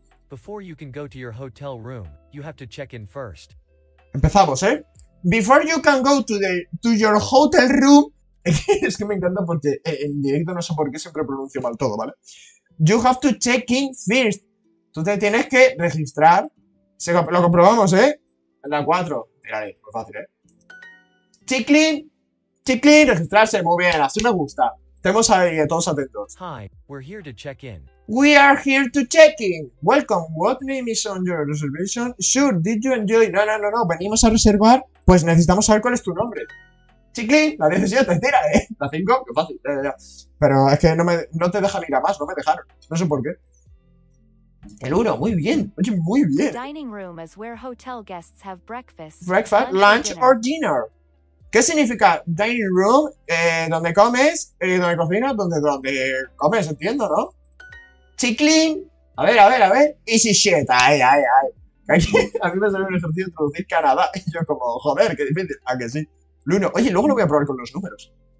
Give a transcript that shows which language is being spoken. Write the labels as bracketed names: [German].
[English] Before you can go to your hotel room, you have to check in first. [Spanish] Empezamos, ¿eh? [English] Before you can go to your hotel room. [Spanish] Es que me encanta porque en directo no sé por qué siempre pronuncio mal todo, ¿vale? [English] You have to check in first. [Spanish] Tú te tienes que registrar. Lo comprobamos, ¿eh? En la 4. Tírale, muy fácil, ¿eh? Chiclin, registrarse. Muy bien, así me gusta. Estamos ahí, todos atentos. [English] Hi, we're here to check in. We are here to check in. Welcome, what name is on your reservation? Sure, did you enjoy? [Spanish] No, venimos a reservar. Pues necesitamos saber cuál es tu nombre. Chiclin, la 17, tira, ¿eh? La 5, qué fácil. Pero es que no te dejan ir a más, no me dejaron. No sé por qué. El 1, muy bien. Oye, muy bien. [English] The dining room is where hotel guests have breakfast. Breakfast, lunch or dinner. [Spanish] ¿Qué significa [English] dining room? [Spanish] Donde comes, donde cocinas, donde comes, entiendo, ¿no? Chiclin. A ver. [English] Easy shit, [Spanish] ay. A mí me salió un ejercicio de introducir Canadá. Y yo como, joder, qué difícil. ¿A que sí? Luno, oye, luego lo voy a probar con los números.